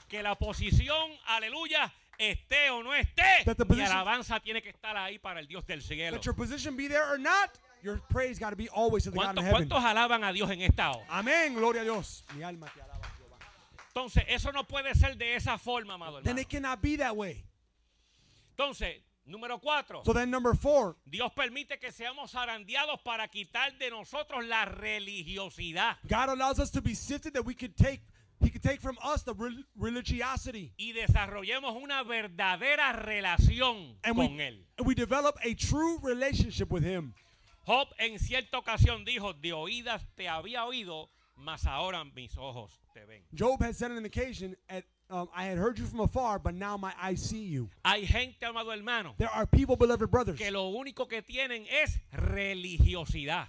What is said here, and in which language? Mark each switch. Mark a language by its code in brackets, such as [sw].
[es] Que la posición, aleluya, esté o no esté, [en] position, [es] mi alabanza tiene que estar ahí para el Dios del cielo. [en] That your position be there or not, your praise got to be always to the God in heaven. [es] ¿Cuántos alaban a Dios en esta hora? Amén, gloria a Dios. Mi alma te alaba, Jehová. Entonces, eso no puede ser de esa forma, amado hermano. [en] Then it cannot be that way. [es] Entonces, número cuatro. [en] So then number four. [es] Dios permite que seamos zarandeados para quitar de nosotros la religiosidad. [en] God allows us to be sifted that we could take, he could take from us the religiosity. [es] Y desarrollemos una verdadera relación con él. [en] And we develop a true relationship with him. [es] Job en cierta ocasión dijo, de oídas te había oído, mas ahora mis ojos te ven. [en] Job had said on an occasion, I had heard you from afar, but now my eyes see you. [es] Hay gente, amado hermano, [en] there are people, beloved brothers, [es] que lo único que tienen es religiosidad.